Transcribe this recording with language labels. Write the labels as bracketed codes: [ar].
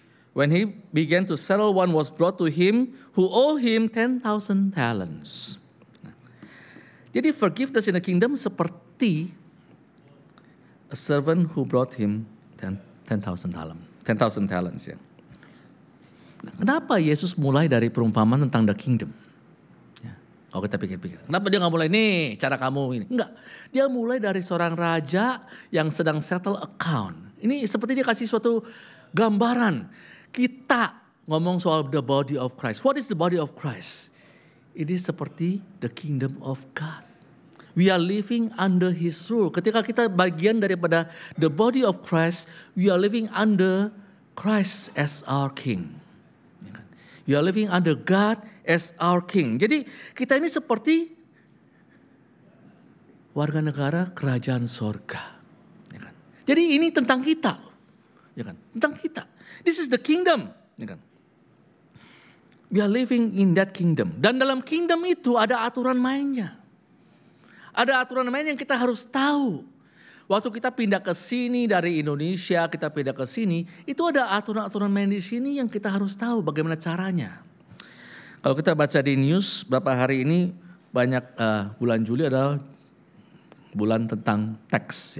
[en] When he began to settle, one was brought to him who owed him 10,000 talents. [id] Nah, jadi [en] forgiveness in the kingdom [id] seperti [en] a servant who brought him 10,000 talents. [id] Ya. Kenapa Yesus mulai dari perumpamaan tentang the kingdom? Ya. Kalau kita pikir-pikir. Kenapa dia gak mulai nih cara kamu ini? Enggak. Dia mulai dari seorang raja yang sedang [en] settle account. [id] Ini seperti dia kasih suatu gambaran. Kita ngomong soal the body of Christ. [en] What is the body of Christ? [id] Ini seperti [en] the kingdom of God. We are living under his rule. [id] Ketika kita bagian daripada [en] the body of Christ, we are living under Christ as our King. You are living under God as our King. [id] Jadi kita ini seperti warga negara kerajaan sorga. Ya kan? Jadi ini tentang kita. Ya kan? Tentang kita. [en] This is the kingdom. [id] Ya kan? [en] We are living in that kingdom. [id] Dan dalam kingdom itu ada aturan mainnya. Ada aturan main yang kita harus tahu. Waktu kita pindah ke sini dari Indonesia, kita pindah ke sini, itu ada aturan-aturan main di sini yang kita harus tahu bagaimana caranya. Kalau kita baca di news, beberapa hari ini banyak bulan Juli adalah bulan tentang tax.